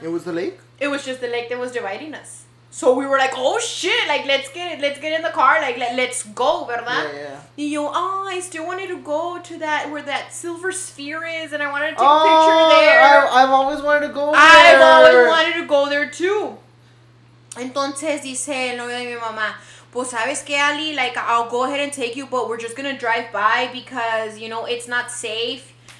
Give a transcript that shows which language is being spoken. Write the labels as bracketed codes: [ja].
[en] It was the lake? It was just the lake that was dividing us. So we were like, oh shit, like, let's get in the car, like, let's go, ¿verdad? Yeah, yeah. Y yo, oh, I still wanted to go to that, where that silver sphere is, and I wanted to take a picture there. I've always wanted to go there. I've always wanted to go there, too. [es] Entonces, dice el novio de mi mamá, pues, ¿sabes qué, Ali? [en] Like, I'll go ahead and take you, but we're just gonna drive by because, you know, it's not safe.